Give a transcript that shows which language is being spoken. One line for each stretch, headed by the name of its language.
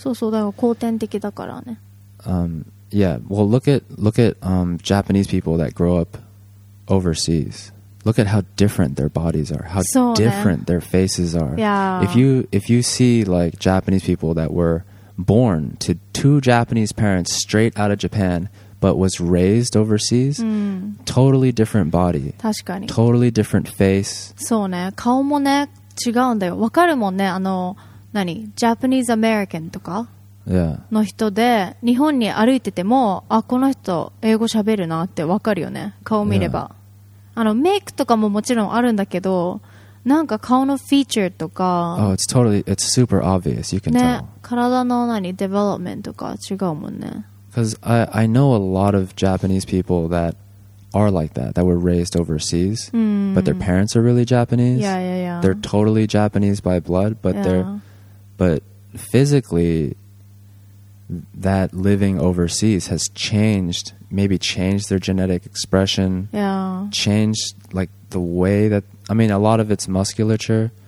Japanese: そうそう、だから後天的だからね。
English: Yeah, well, look at Japanese people that grow up overseas. Look at how different their bodies are, how different their faces are. Yeah. If you see like Japanese people that were born to two Japanese parents straight out of Japan but was raised overseas, totally different body.
Japanese: 確かに。
English: Totally different face.
Japanese: そうね、顔もね違うんだよ。わかるもんね、何 Japanese American とかの人で、日本に歩いてても、あ、この人英語喋るなってわかるよね、顔見れば。メイクとかももちろんあるんだけど、なんか顔のフィーチャーとか、
English: oh, it's totally, it's super obvious, you can
Japanese: ね、
English: tell.
Japanese: 体の何デベロップメントとか違うもんね。
English: Because I know a lot of Japanese people that are like that, that were raised overseas, but their parents are really Japanese. Yeah, yeah, yeah. They're totally Japanese by blood, but but physically, that living overseas has changed, maybe changed their genetic expression, changed like the way that a lot of it's musculature.